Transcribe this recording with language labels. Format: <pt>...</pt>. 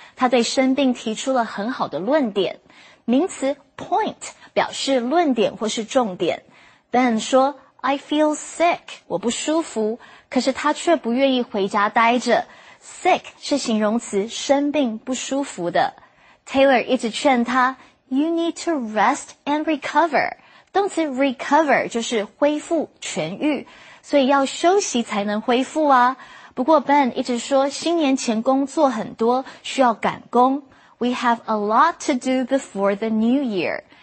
<zh>她对生病提出了很好的论点。名词 point 表示论点或是重点。 Ben 说</zh> <en>I feel sick,</en> <zh>我不舒服。可是他却不愿意回家待着。 Sick 是形容词生病不舒服的。</zh> <en>Taylor</en> <zh>一直劝他</zh> <en>You need to rest and recover.</en> <zh>动词 recover 就是恢复、痊愈。所以要休息才能恢复啊。不过 Ben 一直说新年前工作很多，需要赶工。</zh> <en>We have a lot to do before the new year.</en>